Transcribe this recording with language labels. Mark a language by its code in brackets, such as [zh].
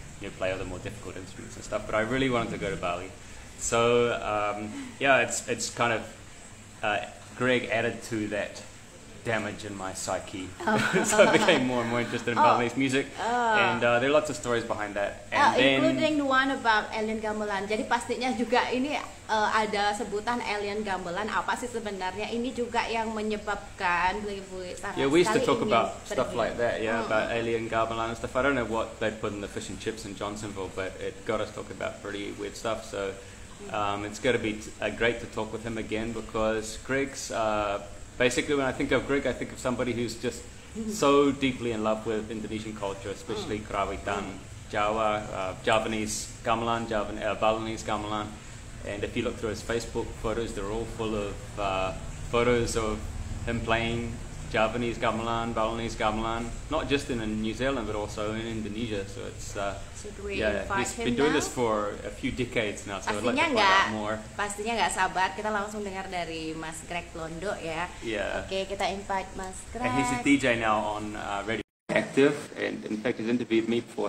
[en] You play other more difficult instruments and stuff, but I really wanted to go to Bali. So it's kind of Greg added to that damage in my psyche. So I became more and more interested in Balinese music. And there are lots of stories behind that. Including the one about alien gamelan. [id] Jadi pastinya juga ini ada sebutan alien gamelan. Apa sih sebenarnya? Ini juga yang menyebabkan beli-beli sangat sekali. [en] Yeah, we used to talk about stuff like that. Yeah, about alien gamelan and stuff. I don't know what they put in the fish and chips in Johnsonville, but it got us talking about pretty weird stuff. So it's going to be great to talk with him again, because Greg's basically, when I think of Greg, I think of somebody who's just so deeply in love with Indonesian culture, especially Krawitan, Jawa, Javanese gamelan, Balinese gamelan. And if you look through his Facebook photos, they're all full of photos of him playing Javanese gamelan, Balinese gamelan, not just in New Zealand but also in Indonesia. So it's he's been doing this for a few decades now. So I'd like to find out more. [id] Pastinya nggak sabar. Kita langsung dengar dari Mas Greg Londo ya. [en] Yeah. [id] Okay, kita invite Mas Greg. [en] And he's a DJ now on Radio Active, and in fact, he's interviewed me before.